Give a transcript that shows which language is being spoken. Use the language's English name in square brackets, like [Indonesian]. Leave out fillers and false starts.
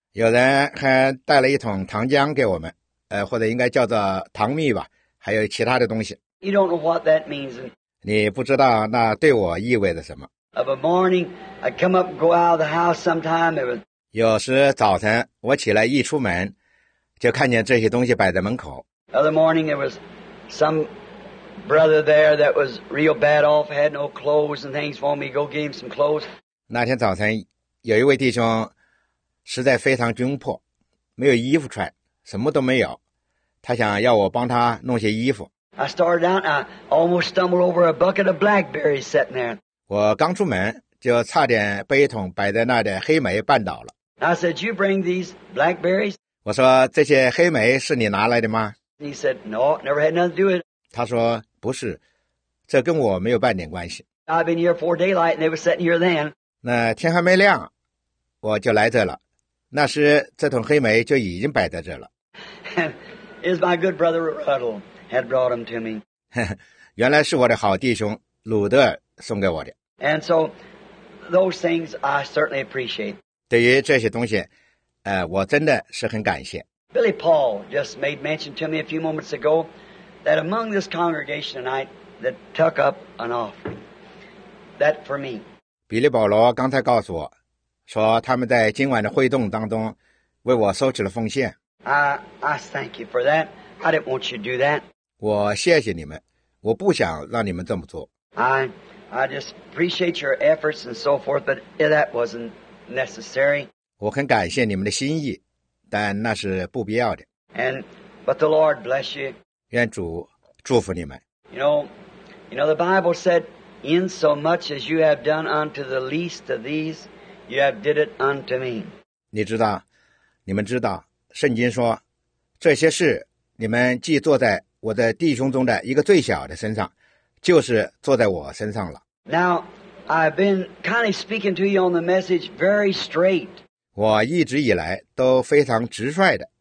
[Chinese] 有人还带了一桶糖浆给我们，或者应该叫做糖蜜吧，还有其他的东西。 [English] You don't know what that means. [Chinese] 你不知道那对我意味着什么。 [English] Of a morning, I come up and go out of the house sometime. It was, [Chinese] 有时早晨我起来一出门就看见这些东西摆在门口。 [English] Other morning, there was some brother there that was real bad off, had no clothes and things for me. Go get him some clothes. [Chinese] 那天早晨有一位弟兄实在非常窘迫，没有衣服穿，什么都没有，他想要我帮他弄些衣服。 [English] I started out, I almost stumbled over a bucket of blackberries sitting there. [Chinese] 我刚出门就差点被一桶摆在那的黑莓绊倒了。 [English] I said, you bring these blackberries? [Chinese] 我说这些黑莓是你拿来的吗？ [English] He said, no, never had nothing to do with it. [Chinese] 他说不是，这跟我没有半点关系。 [English] I've been here for daylight and they were sitting here then. [Chinese] 那天还没亮我就来这了，那时这桶黑莓就已经摆在这了。 [English] It's my good brother Ruddle had brought them to me. [Chinese] 原来是我的好弟兄鲁德送给我的。 [English] And so, those things I certainly appreciate. [Chinese] 对于这些东西，我真的是很感谢。 [English] Billy Paul just made mention to me a few moments ago that among this congregation tonight that took up an offering, that for me. [Chinese] 比利保罗刚才告诉我，说他们在今晚的会动当中为我收取了奉献。 [English] I thank you for that. I didn't want you to do that. [Chinese] 我谢谢你们，我不想让你们这么做。 [English] I just appreciate your efforts and so forth, but that wasn't necessary. [Chinese] 我很感谢你们的心意，但那是不必要的。 [English] But the Lord bless you. [Chinese] 愿主祝福你们。 [English] You know, the Bible said, "In so much as you have done unto the least of these, you have did it unto me." [Chinese] 你知道，你们知道，圣经说，这些事你们既做在我的弟兄中的一个最小的身上。就是坐在我身上了。 [English] Now, I've been kind of speaking to you on the message very straight. [Chinese] 我一直以来都非常直率地